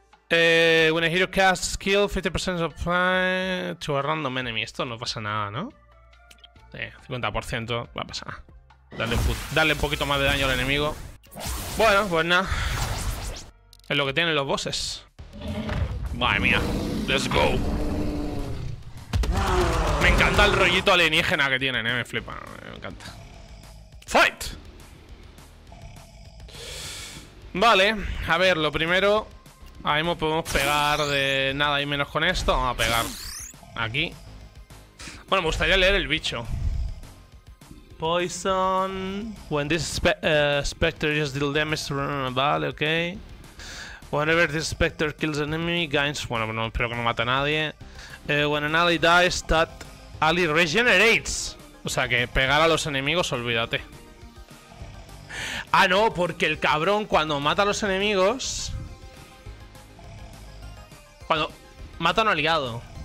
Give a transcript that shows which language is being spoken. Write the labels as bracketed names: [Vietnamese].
[English] When a hero casts skill, 50% of time to a random enemy. [Spanish] Esto no pasa nada, ¿no? Sí, 50%, va a pasar. Dale un poquito más de daño al enemigo. Bueno, pues nada. Es lo que tienen los bosses. Madre mía. [English] Let's go. [Spanish] Me encanta el rollito alienígena que tienen, me flipa. Me encanta. ¡Fight! Vale, a ver, lo primero. Ahí nos podemos pegar de nada y menos con esto. Vamos a pegar aquí. Bueno, me gustaría leer el bicho. [English] Poison. When this specter just deal damage. [Spanish] Vale, ok. [English] Whenever this specter kills an enemy, gains. [Spanish] Bueno, no, espero que no mate a nadie. [English] When an ally dies, that ally regenerates. [Spanish] O sea que pegar a los enemigos, olvídate. Ah, no, porque el cabrón cuando mata a los enemigos. Cuando mata a un aliado.